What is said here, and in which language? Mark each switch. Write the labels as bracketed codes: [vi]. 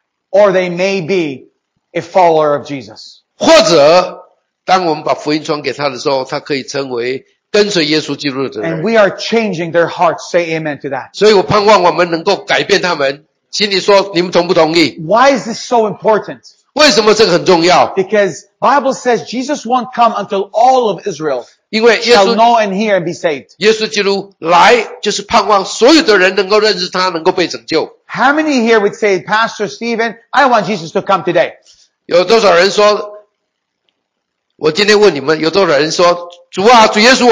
[en] or they may be a follower of Jesus. [zh] 或者当我们把福音传给他的时候, 他可以成为跟随耶稣基督的人。 [en] And we are changing their hearts. Say amen to that. [zh] 所以我盼望我们能够改变他们。请你说你们同不同意? [en] Why is this so important? [zh] 为什么这个很重要? [en] Because Bible says Jesus won't come until all of Israel [zh] 因为耶稣, [en] shall know and hear and be saved. [zh] 耶稣基督来就是盼望所有的人能够认识他能够被拯救。 [en] How many here would say, Pastor Stephen, I want Jesus to come today? [zh] 有多少人说, 我今天问你们, 有多少人说, 主啊, 主耶稣,